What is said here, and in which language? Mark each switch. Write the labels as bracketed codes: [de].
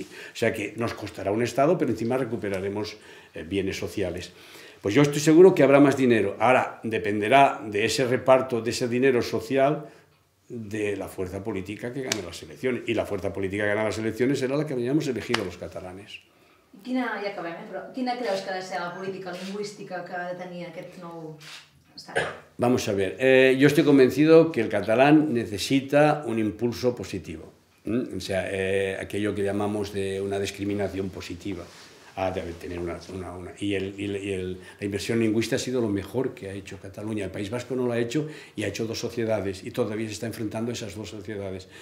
[es] O sea que nos costará un Estado, pero encima recuperaremos bienes sociales. Pues yo estoy seguro que habrá más dinero. Ahora, dependerá de ese reparto de ese dinero social de la fuerza política que gane las elecciones. Y la fuerza política que gane las elecciones será la que habíamos elegido los catalanes. [ca] Quina, ja acabem, però quina creus que ha de ser la política lingüística que ha de tenir aquest nou estat? [es] Vamos a ver, yo estoy convencido que el catalán necesita un impulso positivo. O sea, aquello que llamamos de una discriminación positiva. Ah, debe tener una. La inversión lingüística ha sido lo mejor que ha hecho Cataluña. El País Vasco no lo ha hecho y ha hecho dos sociedades y todavía se está enfrentando a esas dos sociedades.